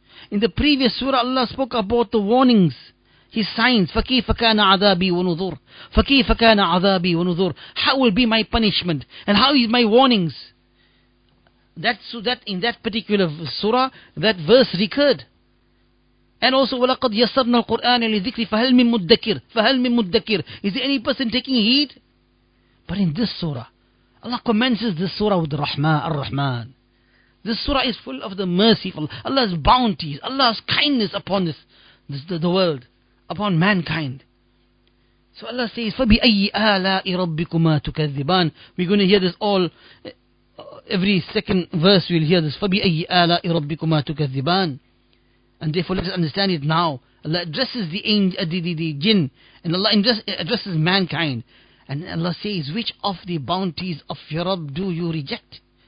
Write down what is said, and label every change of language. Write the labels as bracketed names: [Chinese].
[English] In the previous surah, Allah spoke about the warnings, his signs. [Arabic] فَكِيفَ كَانَ عَذَابِي وَنُذُرِ فَكِيفَ كَانَ عَذَابِي وَنُذُرِ. [English] How will be my punishment? And how is my warnings? In that particular surah, that verse recurred. And also, [Arabic] وَلَقَدْ يَسَّرْنَا الْقُرْآنَ لِذِكْرِ فَهَلْ مِن مُدَّكِرٍ فَهَلْ مِن مُدَّكِرٍ. [English] Is there any person taking heed? But in this surah, Allah commences this surah with Rahman, Ar-Rahman. This surah is full of the mercy of Allah. Allah's bounties, Allah's kindness upon the world, upon mankind. So Allah says, [Arabic] فَبِأَيِّ آلَاءِ رَبِّكُمَا تُكَذِّبَانِ. [English] We're going to hear this all, every second verse we'll hear this, [Arabic] فَبِأَيِّ آلَاءِ رَبِّكُمَا تُكَذِّبَانِ. [English] And therefore let us understand it now. Allah addresses the jinn, and Allah addresses mankind. And Allah says, which of the bounties of your Rabb do you reject?